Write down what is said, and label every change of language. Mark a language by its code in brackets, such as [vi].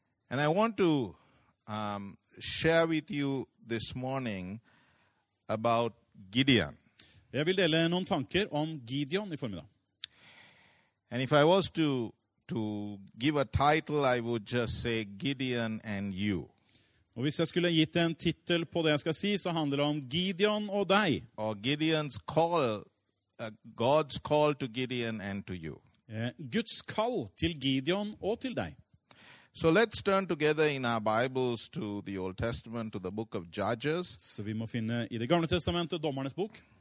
[en] And I want to share with you this morning about Gideon. [no] Jeg vil dele noen tanker om Gideon I formiddag. [en] And if I was to give a title, I would just say Gideon and you. [no] Og hvis jeg skulle gitt en titel på det jeg skal si, så handler det om Gideon og deg. [en] Or Gideon's call, God's call to Gideon and to you. [no] Guds kall til Gideon og til deg. [en] So let's turn together in our Bibles to the Old Testament, to the book of Judges. [no] Så vi må finne I det gamle testamentet, dommernes bok.